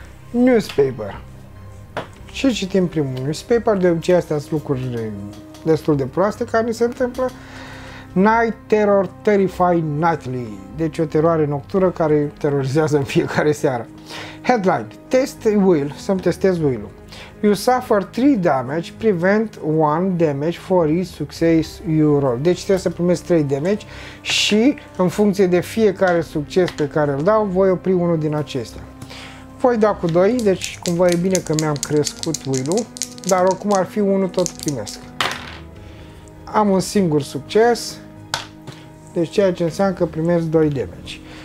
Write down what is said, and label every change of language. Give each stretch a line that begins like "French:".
Romanian: Newspaper. Și citim primul newspaper, de obicei astea sunt lucruri destul de proaste care ni se întâmplă. Night Terror Terrify Nightly. Deci o teroare nocturnă care terorizează în fiecare seară. Headline. Test wheel. Să-mi testez wheel-ul.
English: You suffer 3 damage, prevent 1 damage for each success you roll.
Romanian: Deci trebuie să primesc 3 damage și în funcție de fiecare succes pe care îl dau, voi opri unul din acestea. Voi da cu 2, deci cumva e bine că mi-am crescut wheel-ul, dar oricum ar fi unul tot primesc. Am un singur succes, deci ceea ce înseamnă că primesc 2 damage.